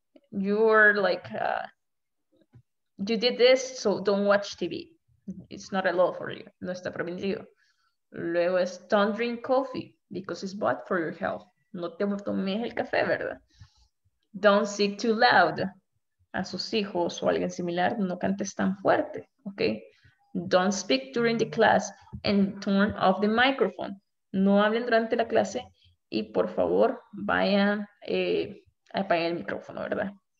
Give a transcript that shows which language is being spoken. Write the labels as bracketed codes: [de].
[en] You're like, you did this, so don't watch TV. It's not allowed for you. [es] No está permitido. Luego es, [en] don't drink coffee, because it's bad for your health. [es] No te tomes el café, ¿verdad? [en] Don't speak too loud. [es] A sus hijos o alguien similar, no cantes tan fuerte, okay? [en] Don't speak during the class and turn off the microphone. [es] No hablen durante la clase y por favor vayan a apagar el micrófono, ¿verdad?